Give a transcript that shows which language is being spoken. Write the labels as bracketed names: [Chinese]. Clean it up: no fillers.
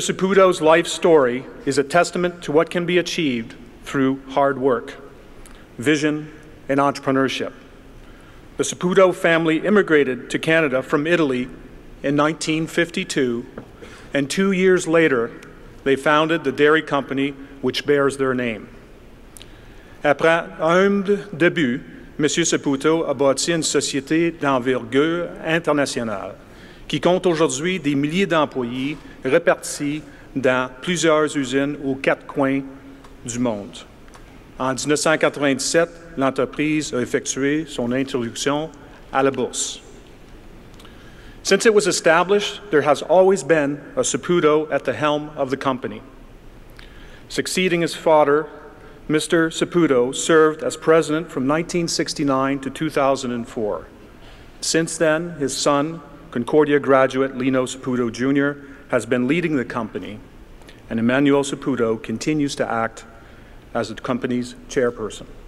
[English] Saputo's life story is a testament to what can be achieved through hard work, vision, and entrepreneurship. The Saputo family immigrated to Canada from Italy in 1952, and 2 years later, they founded the dairy company which bears their name. [French] Après un humble début, M. Saputo a bâti une société d'envergure internationale qui compte aujourd'hui des milliers d'employés répartis dans plusieurs usines aux quatre coins du monde. En 1997, l'entreprise a effectué son introduction à la bourse. [English] Since it was established, there has always been a Saputo at the helm of the company. Succeeding his father, Mr. Saputo served as president from 1969 to 2004. Since then, his son, Concordia graduate Lino Saputo Jr., has been leading the company, and Emanuele Saputo continues to act as the company's chairperson.